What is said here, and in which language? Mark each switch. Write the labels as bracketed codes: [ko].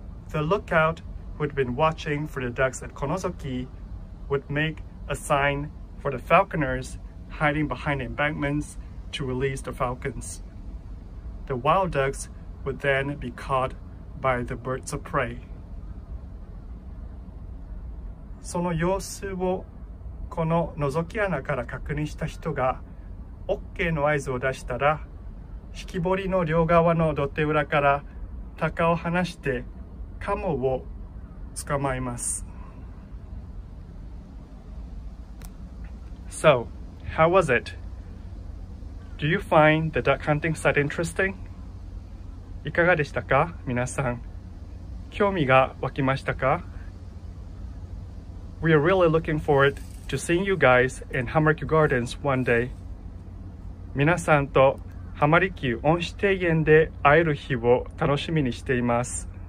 [en] The lookout who'd been watching for the ducks at Konozoki would make a sign for the falconers hiding behind embankments to release the falcons. The wild ducks would then be caught by the birds of prey. [ja] その様子をこの覗き穴から確認した人が OK の合図を出したら引き彫りの両側の土手裏から鷹を離してカモを捕まえます。 [en] So, how was it? Do you find the duck hunting site interesting? [ja] いかがでしたか、皆さん。興味が湧きましたか？ [en] We are really looking forward to seeing you guys in Hama-rikyu Gardens one day. [ja] 皆さんと浜離宮恩賜庭園で会える日を楽しみにしています。